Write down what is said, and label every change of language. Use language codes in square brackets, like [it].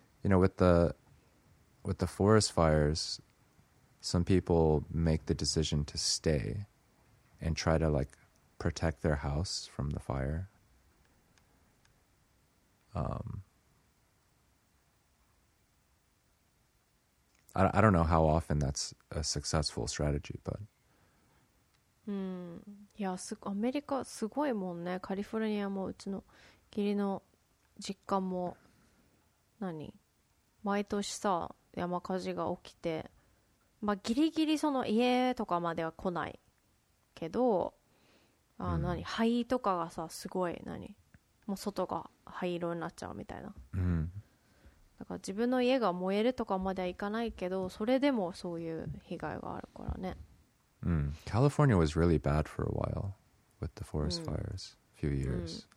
[en] You know, with the forest fires, some people make the decision to stay and try to like protect their house from the fire. I don't know how often that's a successful strategy, but. [ja] いや、アメリカすごいもんね。カリフォルニアもうちの義理の実家も何毎年さ山火事が起きて、まあ、ギリギリその家とかまでは来ないけど、あ、うん、何灰とかがさすごい何もう外が灰色になっちゃうみたいな、うん、だから自分の家が燃えるとかまではいかないけど、それでもそういう被害があるからね。 Mm. [en] California was really bad for a while with the forest fires, a few years.